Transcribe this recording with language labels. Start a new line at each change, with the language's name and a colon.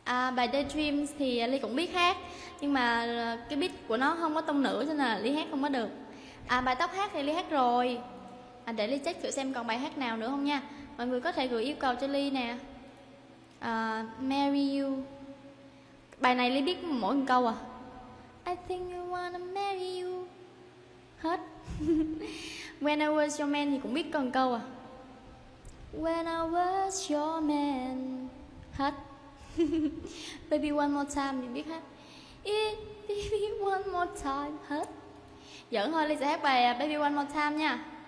Vietnamese: Bài Daydreams thì Ly cũng biết hát, nhưng mà cái beat của nó không có tông nữ cho nên là Ly hát không có được. Bài Tóc Hát thì Ly hát rồi. Để Ly check thử xem còn bài hát nào nữa không nha. Mọi người có thể gửi yêu cầu cho Ly nè. Marry You. Bài này Ly biết mỗi một câu à.
English: I think I wanna marry you.
Vietnamese: Hết. When I was your man thì cũng biết còn câu à. When I was your man. Hết. Baby one more time thì biết hết. Baby one more time. Hết. Giỡn thôi, Ly sẽ hát bài Baby one more time nha.